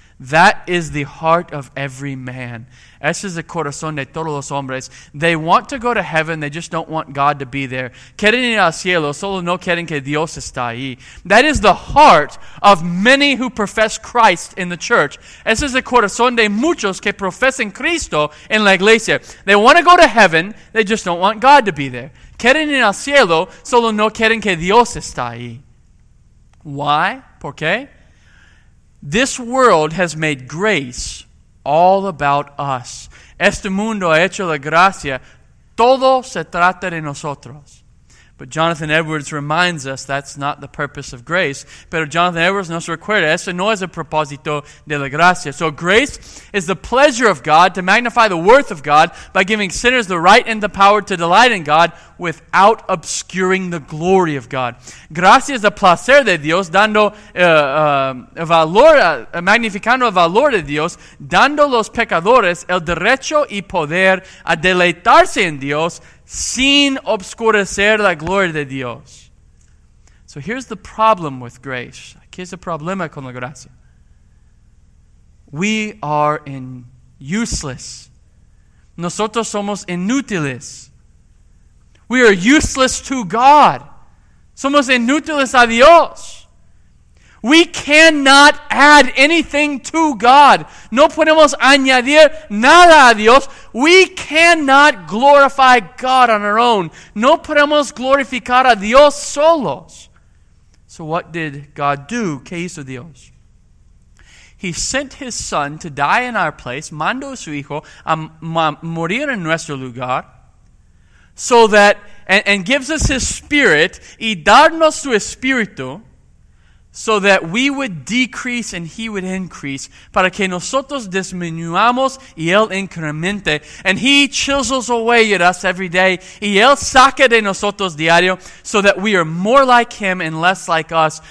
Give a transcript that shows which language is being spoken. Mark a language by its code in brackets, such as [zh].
[en] That is the heart of every man. [es] Ese es el corazón de todos los hombres. [en] They want to go to heaven, they just don't want God to be there. [es] Quieren ir al cielo, solo no quieren que Dios está ahí. [en] That is the heart of many who profess Christ in the church. [es] Ese es el corazón de muchos que profesan Cristo en la iglesia. [en] They want to go to heaven, they just don't want God to be there. [es] Quieren ir al cielo, solo no quieren que Dios está ahí. [en] Why? [es] ¿Por qué? [en] This world has made grace all about us. [es] Este mundo ha hecho la gracia. Todo se trata de nosotros. [en] But Jonathan Edwards reminds us that's not the purpose of grace. [es] Pero Jonathan Edwards nos recuerda, eso no es el propósito de la gracia. [en] So grace is the pleasure of God to magnify the worth of God by giving sinners the right and the power to delight in God without obscuring the glory of God. [es] Gracia es el placer de Dios dando valor, magnificando el valor de Dios, dando los pecadores el derecho y poder a deleitarse en Dios sin obscurecer la gloria de Dios. [en] So here's the problem with grace. [es] ¿Qué es el problema con la gracia? [en] We are in useless. [es] Nosotros somos inútiles. [en] We are useless to God. [es] Somos inútiles a Dios. [en] We cannot add anything to God. [es] No podemos añadir nada a Dios. [en] We cannot glorify God on our own. [es] No podemos glorificar a Dios solos. [en] So what did God do? [es] ¿Qué hizo Dios? [en] He sent his son to die in our place. [es] Mandó su hijo a morir en nuestro lugar. [en] So that, and gives us his spirit. [es] Y darnos su espíritu. [en] So that we would decrease and he would increase. [es] Para que nosotros disminuamos y él incremente. [en] And he chisels away at us every day. [es] Y él saca de nosotros diario. [en] So that we are more like him and less like us.